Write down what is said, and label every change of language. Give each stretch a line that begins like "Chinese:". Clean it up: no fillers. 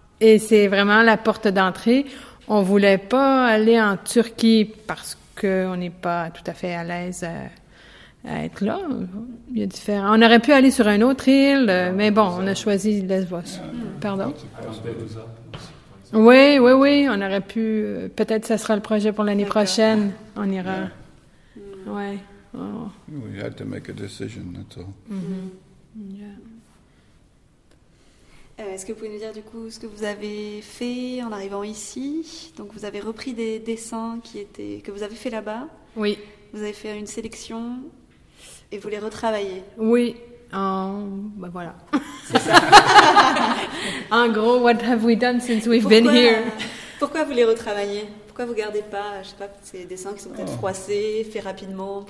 French: Et c'est vraiment la porte d'entrée. On voulait pas aller en Turquie parce qu'on n'est pas tout à fait à l'aise à être là. Il y a différents. On aurait pu aller sur une autre île, mais bon, on a choisi Lesbos. Pardon? Oui, on aurait pu. Peut-être que ça sera le projet pour l'année prochaine. On ira.
English: Yeah.
French: Oui.
English: Oh. We had to make a decision, that's all. Mm-hmm. Yeah.
French: Est-ce que vous pouvez nous dire du coup ce que vous avez fait en arrivant ici? Donc vous avez repris des dessins que vous avez fait là-bas. Oui. Vous avez fait une sélection et vous les retravaillez. Oui. Ben voilà. C'est ça. En gros,
English: what have we done since we've been here?
French: Pourquoi vous les retravaillez? Pourquoi vous gardez pas, je sais pas, ces dessins qui sont peut-être froissés, faits rapidement?